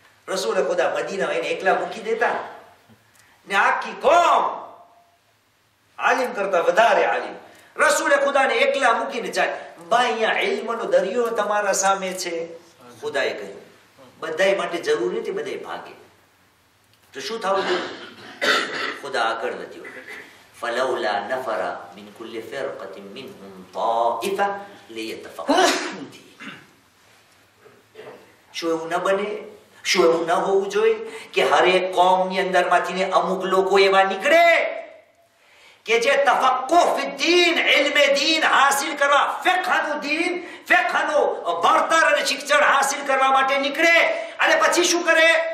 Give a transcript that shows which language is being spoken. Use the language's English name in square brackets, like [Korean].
[Gujarati] રસૂલ ખુદા મદીના એને એકલા મૂકી દેતા ને આખી કોમ આલિમ કરતા વધારે આલિમ. રસૂલ ખુદાને એકલા મૂકીને જાય. બાયા ઇલ્મનો દરિયો તમારા સામે છે. ખુદાએ કહ્યું બધાય માટે જરૂરી નથી બધે ભાગે તો શું થવું જોઈએ. ખુદા આગળ વધ્યો. [Arabic] فلولا نفر من كل فرقة منهم طائفة ليتفقهوا. [Gujarati] શું એવું ન બને, શું એવું ન હોવું જોઈએ કે હરેક કોમ ની અંદર માંથી ને અમુક લોકો એવા નીકળે કે જે તફક્કુહ ફી દીન, ઇલ્મે દીન હાસિલ કરવા, ફિકહનું દીન, ફિકહનું વર્તન અને શિક્ષણ હાસિલ કરવા માટે નીકળે અને પછી શું કરે?